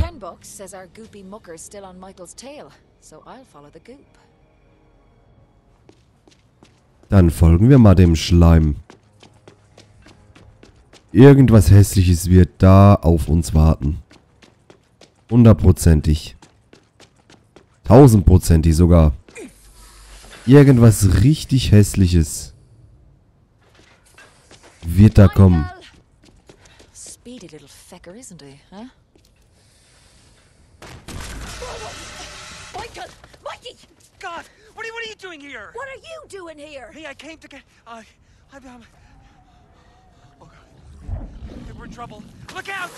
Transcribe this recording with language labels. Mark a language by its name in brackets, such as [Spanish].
[English] 10 bucks says our goopy mucker still on Michael's tail, so I'll follow the goop. [German] Dann folgen wir mal dem Schleim. Irgendwas Hässliches wird da auf uns warten. Hundertprozentig. Tausendprozentig sogar. Irgendwas richtig Hässliches wird da kommen. [English] Speedy little fecker, isn't he, huh? Michael! Mikey! God, what are you doing here? What are you doing here? Hey, I came to get... I'm... Oh, God. We're in trouble. Look out!